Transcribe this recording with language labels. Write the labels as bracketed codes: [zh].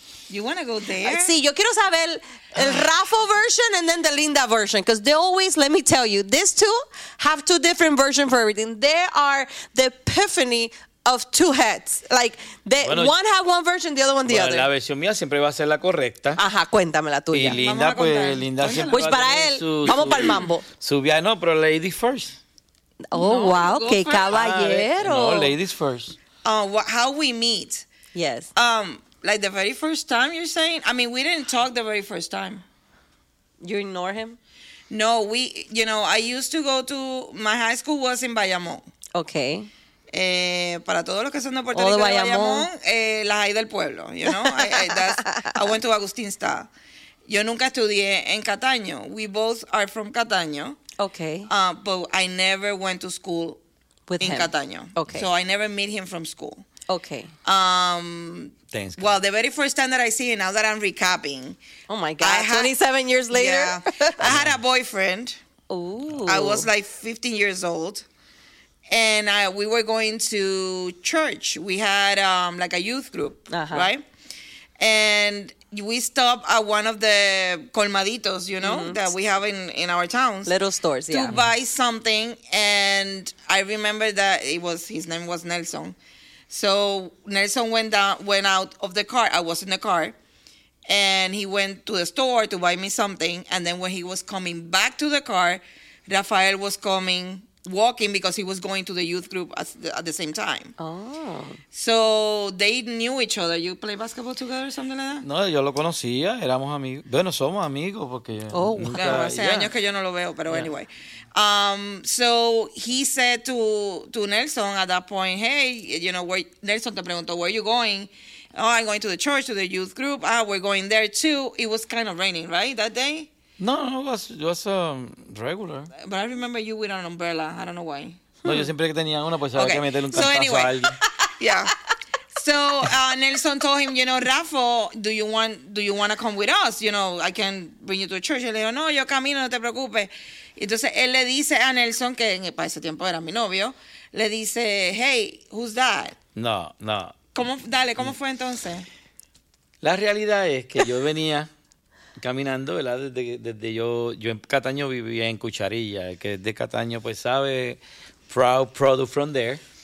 [en] You want to go there? [es] Sí, yo quiero saber el [en] Rafa version and then the Linda version, because they always, let me tell you, these two have two different versions for everything. They are the epiphany of two heads. Like, one have one version, the other one the other. [es] La versión mía siempre va a ser la correcta. Ajá, cuéntame la tuya. Y Linda, vamos a pues, Linda Oye, siempre pues para va a él, vamos para el mambo. Su viaje, no, pero [en] ladies first. Oh, no, [es] wow, qué caballero. [en] No, ladies first. How we meet. Yes. Like, the very first time, you're saying? I mean, we didn't talk the very first time. You ignore him? No, I used to go to, my high school was in Bayamón. Okay. [es] Para todos los que son de Puerto Rico, Bayamón, las hay del pueblo, [en] you know. I went to [es] Agustín Sta. Yo nunca estudié en Cataño. [en] We both are from Cataño. Okay. But I never went to school with in him. Cataño. Okay. So I never meet him from school. Okay. Thanks. Well, the very first time that I see him, now that I'm recapping. Oh my God. 27 years later. Yeah, I had a boyfriend. Ooh. I was like 15 years old. And we were going to church. We had like a youth group, right? And we stopped at one of the colmaditos, you know, mm-hmm. that we have in our towns. Little stores, to buy something. And I remember that his name was Nelson. So Nelson went out of the car. I was in the car. And he went to the store to buy me something. And then when he was coming back to the car, Rafael was coming walking because he was going to the youth group at the same time. Oh. So they knew each other. You play basketball together or something like that? [es] No, yo lo conocía. Éramos amigos. Bueno, somos amigos porque... [en] Oh, wow. [es] Claro, hace años que yo no lo veo, pero anyway. [en] So he said to Nelson at that point, hey, you know, where, Nelson [es] te preguntó, [en] where are you going? Oh, I'm going to the church, to the youth group. Ah, we're going there too. It was kind of raining, right, that day? No, no, it was regular. But I remember you with an umbrella. I don't know why. [es] No, yo siempre que tenía una, pues había que meterle un cantazo a alguien. [en] Yeah. So Nelson told him, you know, Rafa, do you want to come with us? You know, I can bring you to a church. [es] Y le dijo, no, yo camino, no te preocupes. Entonces él le dice a Nelson, que para ese tiempo era mi novio, le dice, [en] hey, who's that? [es] No, no. ¿Cómo, dale, cómo fue entonces? La realidad es que yo venía... caminando, ¿verdad? Desde yo en Cataño vivía en Cucharilla, el que es de Cataño pues sabe, [en] proud product from there.